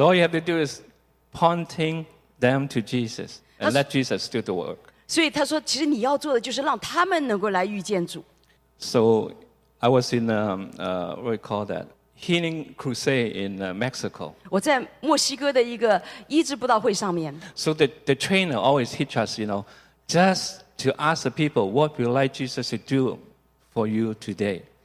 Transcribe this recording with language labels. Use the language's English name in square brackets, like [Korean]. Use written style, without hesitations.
[English] all you have to do is pointing them to Jesus and let Jesus do the work. [Chinese] 所以他说，其实你要做的就是让他们能够来遇见主。 [English] So I was in what we call that healing crusade in Mexico. [Chinese] 我在墨西哥的一个医治布道会上面。 [English] So the trainer always teach us, you know, just to ask the people, "What would you like Jesus to do for you today?"